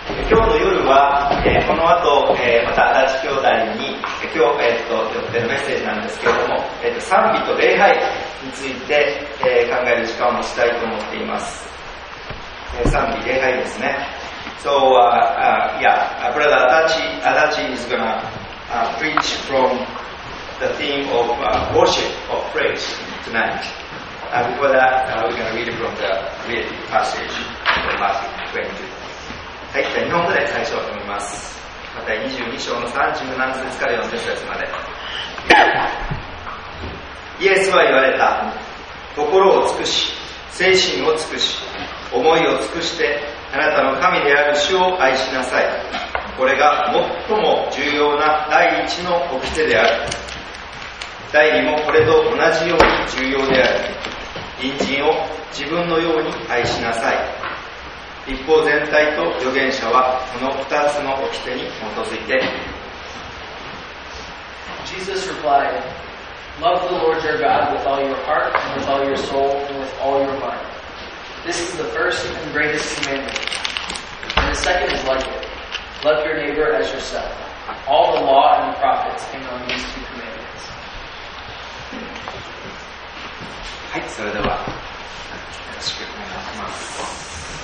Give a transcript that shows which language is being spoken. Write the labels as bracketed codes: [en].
[ja] 今日の夜は、この後、また足立兄弟に今日、よってのメッセージなんですけれども、賛美と礼拝について、考える時間を持ちたいと思っています。賛美礼拝ですね。 [en] So, yeah, Brother Adachi is going to preach from the theme of worship of praise tonight. Before that, we're going to read from the read passage from Matthew 22. [ja] はい、じゃあ日本語で最初を読みます。また22章の37節から4節まで。イエスは言われた。心を尽くし、精神を尽くし、思いを尽くして、あなたの神である主を愛しなさい。これが最も重要な第一の掟である。第二もこれと同じように重要である。隣人を自分のように愛しなさい。律法全体と預言者はこの2つの掟に基づいて。 [en] Jesus replied, Love the Lord your God with all your heart and with all your soul and with all your mind. This is the first and greatest commandment. And the second is like it. Love your neighbor as yourself. All the law and the prophets hang on these two commandments. [ja] はい、それではよろしくお願いします。